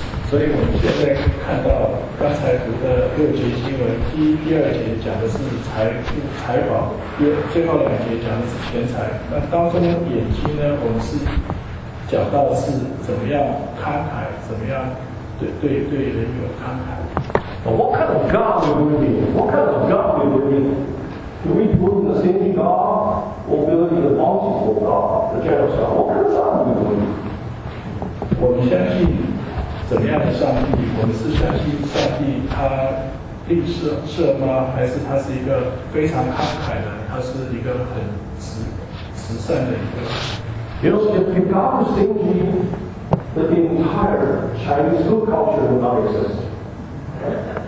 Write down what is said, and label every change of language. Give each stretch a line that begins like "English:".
Chinese: 所以我们现在看到刚才读的六节经文，第一、第二节讲的是财宝，最后两节讲的是钱财。那当中眼睛呢，我们是讲到是怎么样慷慨，怎么样对人有慷慨。
English: What kind of God do we mean? What kind of God do we mean? Do we put in the same God or build in the bountiful God, the generous God? What kind of God do we mean?
Chinese: 我们相信。怎么样的上帝？我们是相信上帝他吝啬吗？还是他是一个非常慷慨的？他是一个很慈善的一个。
English: You know, if God is stingy, the entire Chinese food culture would not exist.